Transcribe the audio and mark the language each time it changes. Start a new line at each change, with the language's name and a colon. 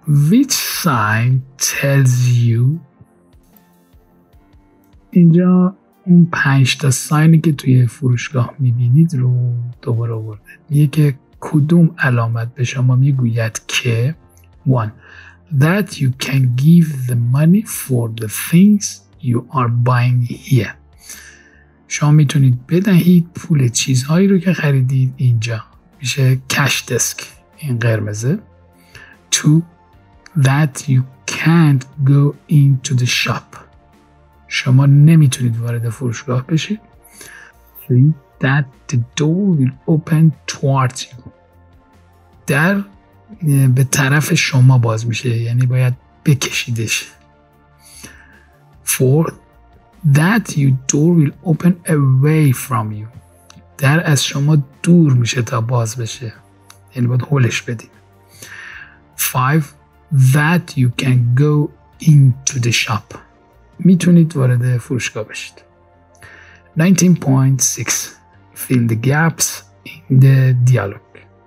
English: Which sign tells you؟
Persian: اینجا اون 5 تا ساینی که توی فروشگاه میبینید رو دوباره آورده. میگه که کدوم علامت به شما میگوید که 1.
English: That you can give the money for the things you are buying here.
Persian: شما میتونید بدهید پول چیزهایی رو که خریدید اینجا. میشه کش دسک، این قرمزه. 2.
English: That you can't go into the shop.
Persian: شما نمیتونید وارد فروشگاه بشید.
English: 3. That the door will open towards you.
Persian: در به طرف شما باز میشه، یعنی باید بکشیدش. 4.
English: That your door will open away from you.
Persian: در از شما دور میشه تا باز بشه، یعنی باید هولش بدید.
English: 5. That you can go into the shop.
Persian: میتونید وارد فروشگاه بشید.
English: 19.6. Fill the gaps in the dialogue.